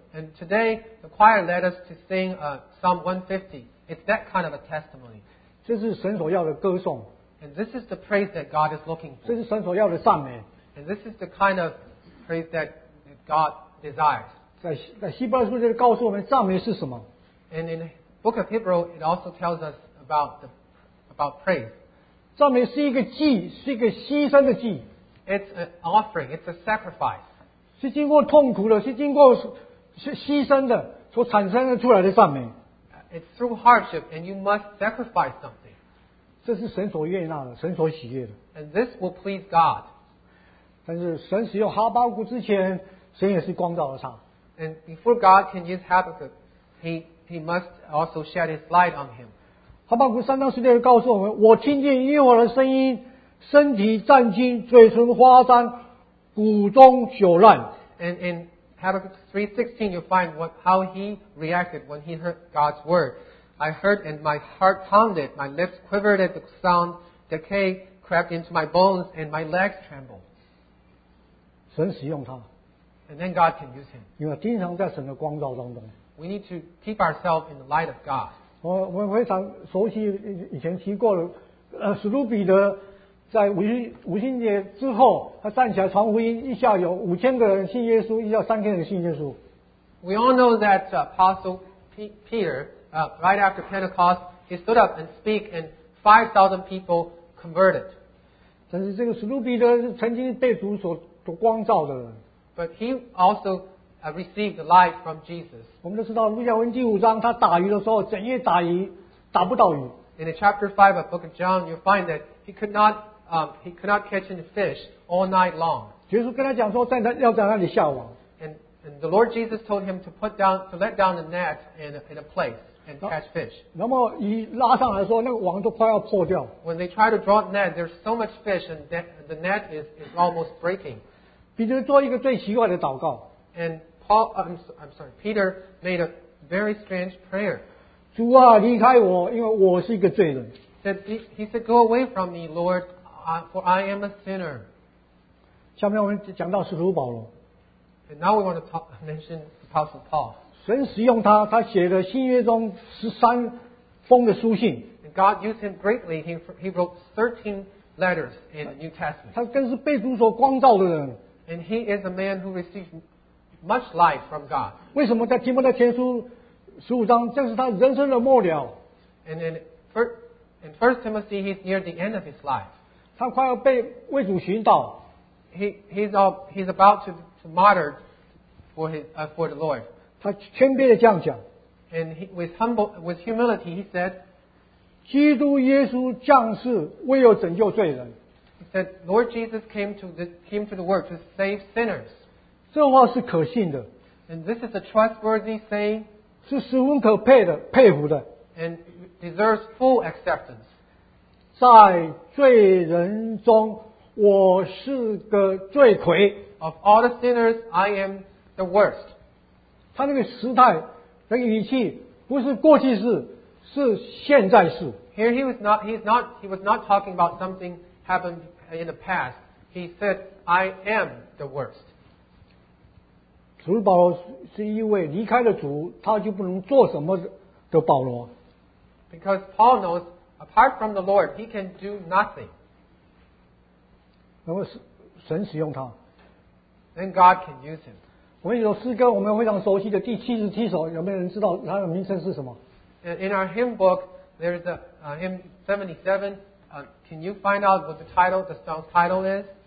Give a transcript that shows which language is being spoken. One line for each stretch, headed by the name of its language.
English: And today, the choir led us to sing Psalm 150. It's that kind of a testimony.
Chinese: 这是神所要的歌颂。
English: And this is the praise that God is looking for.
Chinese: 这是神所要的赞美。
English: And this is the kind of praise that God desires.
Chinese: 在希伯来书就告诉我们赞美是什么。
English: And in Book of Hebrew, it also tells us about praise.
Chinese: 赞美是一个祭，是一个牺牲的祭。
English: It's an offering. It's a sacrifice.
Chinese: 是经过痛苦的，是经过牺牲的所产生出来的赞美。
English: It's through hardship, and you must sacrifice something.
Chinese: 这是神所悦纳的，神所喜悦的。
English: And this will please God.
Chinese: 但是神使用哈巴谷之前，神也是光照了他。
English: And before God can use Habakkuk, he must also shed his light on him.
Chinese: 哈巴谷三章十六节告诉我们：“我听见耶和华的声音，身体战惊，嘴唇发张，骨中朽烂。”
English: And in Habakkuk 3:16, you find how he reacted when he heard God's word. I heard and my heart pounded, my lips quivered at the sound, decay crept into my bones, and my legs trembled.
Chinese: 神使用他。
English: And then God can use him.
Chinese: 因为经常在神的光照当中。
English: We need to keep ourselves in the light of God.
Chinese: 我非常熟悉以前提过了，史努比的在五旬节之后，他站起来传福音，一下有5000个人信耶稣，一下3000人信耶稣。
English: We all know that Apostle Peter, right after Pentecost, he stood up and speak, and 5,000 people converted.
Chinese: 但是这个史努比的曾经被主所光照的人。
English: But he also received the light from Jesus.
Chinese: 我们都知道路加福音第五章，他打鱼的时候，整夜打鱼，打不到鱼。
English: In chapter 5 of Book of John, you find that he could not catch any fish all night long.
Chinese: 耶稣跟他讲说，要在那里下网。
English: And the Lord Jesus told him to put down to let down the net in a place and catch fish.
Chinese: 那么鱼拉上来说，那个网都快要破掉。
English: When they try to draw the net, there's so much fish and the net is almost breaking.
Chinese: 彼得做一个最奇怪的祷告。
English: And Paul, I'm sorry, Peter made a very strange prayer.
Chinese: 主啊，离开我，因为我是一个罪人。
English: He said, "Go away from me, Lord, for I am a sinner."
Chinese: 下面我们讲到使徒保罗。
English: And now we want to mention Apostle Paul.
Chinese: 神使用他，他写了新约中13封的书信。
English: And God used him greatly. He wrote 13 letters in the New Testament.
Chinese: 他更是被主所光照的人。
English: And he is a man who received much light from God.
Chinese: 为什么在提摩太前书15章，这是他人生的末了。
English: And then In 1 Timothy, he's near the end of his life.
Chinese: 他快要被为主寻道。
English: He's about to martyr for the Lord.
Chinese: 他谦卑的这样讲。
English: And with humility, he said,
Chinese: 基督耶稣降世为要拯救罪人。
English: He said, Lord Jesus came to the world to save sinners.
Chinese: 这话是可信的。
English: And this is a trustworthy saying.
Chinese: 是十分可佩的，佩服的。
English: And deserves full acceptance.
Chinese: 在罪人中，我是个罪魁。
English: Of all the sinners, I am the worst.
Chinese: 他那个时态，那个语气，不是过去式，是现在式。
English: Here he was not talking about something happened in the past. He said, "I am the worst."
Chinese: 主保罗是一位离开了主，他就不能做什么的保罗。
English: Because Paul knows, apart from the Lord, he can do nothing.
Chinese: 然后神使用他。
English: Then God can use him.
Chinese: 我们有诗歌，我们非常熟悉的第77首，有没有人知道它的名称是什么
English: ？In our hymn book, there's a hymn 77. Can you find out what the song's title is?